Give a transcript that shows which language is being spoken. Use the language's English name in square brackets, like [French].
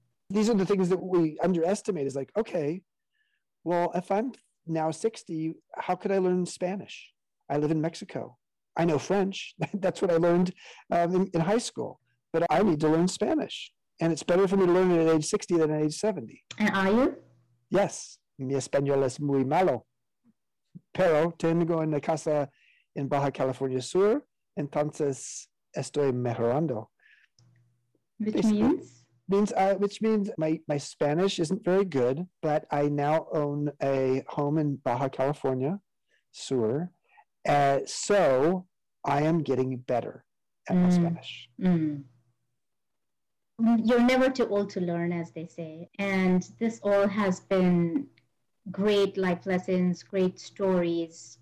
[English] These are the things that we underestimate, is like, okay, well, if I'm now 60, how could I learn Spanish? I live in Mexico. I know French. That's what I learned in high school. But I need to learn Spanish. And it's better for me to learn it at age 60 than at age 70. And are you? [Spanish] Yes. Mi español es muy malo. Pero tengo una casa en Baja California Sur. Entonces estoy mejorando. [English] Which means my Spanish isn't very good, but I now own a home in Baja California Sur. So I am getting better at my Spanish. Mm. You're never too old to learn, as they say. And this all has been great life lessons, great stories.